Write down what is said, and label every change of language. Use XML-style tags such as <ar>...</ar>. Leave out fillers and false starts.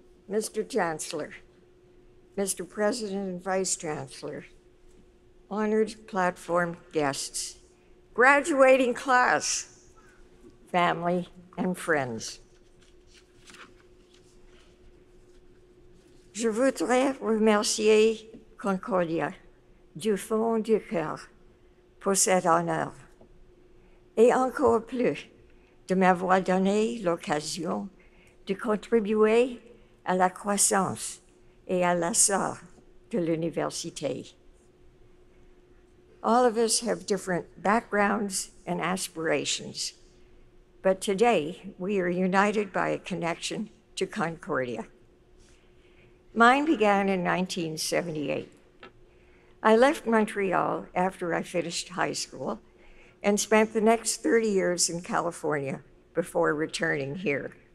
<en>Mr. Chancellor, Mr. President and Vice Chancellor, honored platform guests, graduating class, family and friends.</en> <fr>Je voudrais remercier Concordia du fond du cœur pour cet honneur et encore plus de m'avoir donné l'occasion de contribuer à la croissance et à l'essor de l'université.</fr> <en>All of us have different backgrounds and aspirations, but today we are united by a connection to Concordia. Mine began in 1978. I left Montreal after I finished high school and spent the next 30 years in California before returning here.</en>